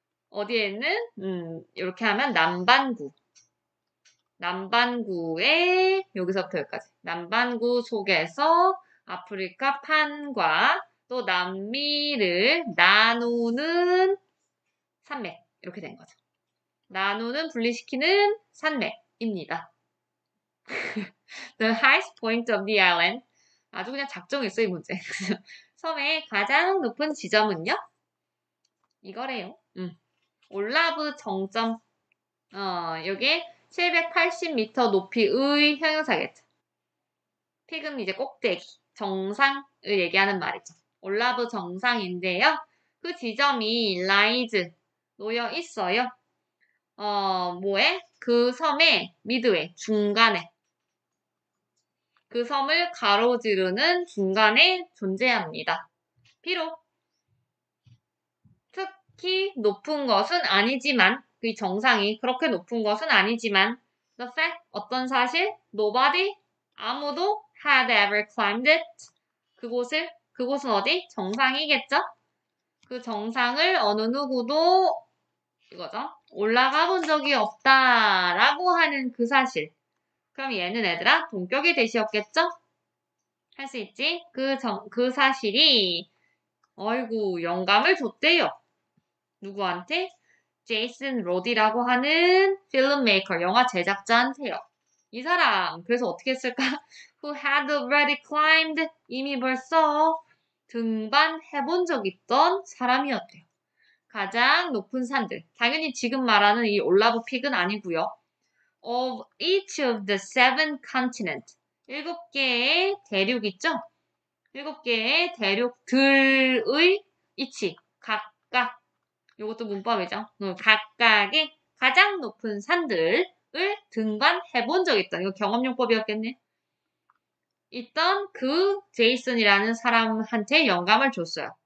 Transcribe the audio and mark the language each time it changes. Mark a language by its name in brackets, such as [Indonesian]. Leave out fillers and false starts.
[Korean] 어디에 있는? 이렇게 하면 남반구. 남반구의 여기서부터 여기까지. 남반구 속에서 아프리카 판과 또 남미를 나누는 산맥. 이렇게 된 거죠. 나누는 분리시키는 산맥입니다. [English] The highest point of the island. [Korean] 아주 그냥 작정했어요, 이 문제. 섬의 가장 높은 지점은요? 이거래요. 올라브 정점. 여기 780m 높이의 형용사겠죠. 픽은 이제 꼭대기, 정상을 얘기하는 말이죠. 올라브 정상인데요. 그 지점이 라이즈 놓여 있어요. 뭐에? 그 섬의 미드웨이, 중간에. 그 섬을 가로지르는 중간에 존재합니다. 비록 특히 높은 것은 아니지만, 그 정상이 그렇게 높은 것은 아니지만, [English] the fact, [Korean] 어떤 사실? [English] Nobody, [Korean] 아무도 [English] had ever climbed it. [Korean] 그곳은 어디? 정상이겠죠? 그 정상을 어느 누구도 이거죠. 올라가 본 적이 없다라고 하는 그 사실. 그럼 얘는 애들아, 동격이 되셨겠죠? 할수 있지? 그 사실이, 어이구, 영감을 줬대요. 누구한테? 제이슨 로디라고 하는 필름메이커, 영화 제작자한테요. 이 사람, 그래서 어떻게 했을까? [English] Who had already climbed, [Korean] 이미 벌써 등반해본 적 있던 사람이었대요. 가장 높은 산들. 당연히 지금 말하는 이 올라브 픽은 아니고요. [English] Of each of the seven continents. [Korean] 일곱 개의 대륙 있죠? 일곱 개의 대륙들의 위치. 각각. 이것도 문법이죠. 각각의 가장 높은 산들을 등반해 본적 있던. 이거 경험용법이었겠네. 있던 그 제이슨이라는 사람한테 영감을 줬어요.